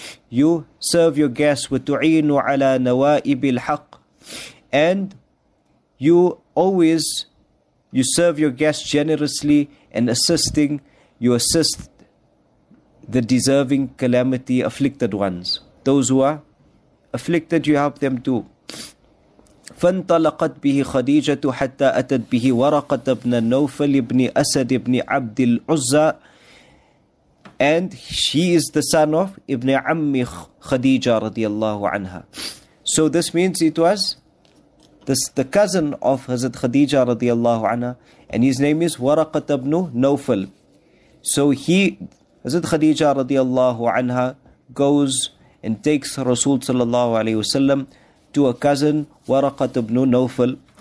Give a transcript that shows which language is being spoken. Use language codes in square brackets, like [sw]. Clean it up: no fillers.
[en] You serve your guests. [ar] وَتُعِينُ عَلَى نَوَائِبِ الْحَقِّ. [en] And you always... You serve your guests generously and assisting, you assist the deserving calamity afflicted ones. Those who are afflicted, you help them too. [ar] فانطلقت به خديجة حتى أتت به ورقة ابن نوفل ابن أسد ابن عبد العزة. [en] And she is the son of [ar] ابن عمي خديجة رضي الله عنها. [en] So this means it was the cousin of Hazrat Khadija radiallahu anha, and his name is Waraqat ibn Nawfal. So he, Hazrat Khadija radiallahu anha, goes and takes Rasul sallallahu alayhi wasallam to a cousin, Waraqat ibn Nawfal.